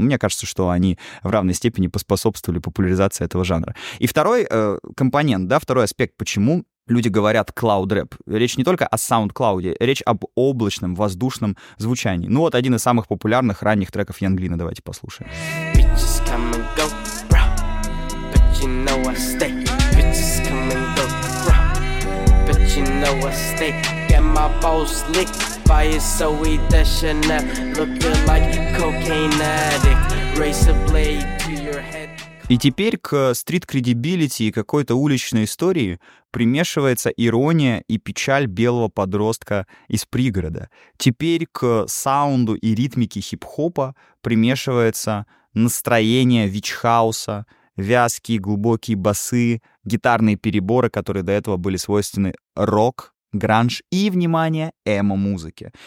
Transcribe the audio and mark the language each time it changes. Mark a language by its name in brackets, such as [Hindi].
[Russian] Мне кажется, что они в равной степени поспособствовали популяризации этого жанра. И второй компонент, да, второй аспект, почему люди говорят «клауд-рэп». Речь не только о SoundCloud'е, речь об облачном, воздушном звучании. Ну вот один из самых популярных ранних треков Янг Лина. Давайте послушаем. [English] You know I stay, bitches come and go, bro. But you know I stay, get my balls licked by a Zoe Deschanel, looking like a cocaine addict, razor blade to your head. [Russian] И теперь к стрит-кредибилити и какой-то уличной истории примешивается ирония и печаль белого подростка из пригорода. Теперь к саунду и ритмике хип-хопа примешивается настроение вич-хауса, вязкие глубокие басы, гитарные переборы, которые до этого были свойственны рок, гранж и, внимание, эмо-музыке.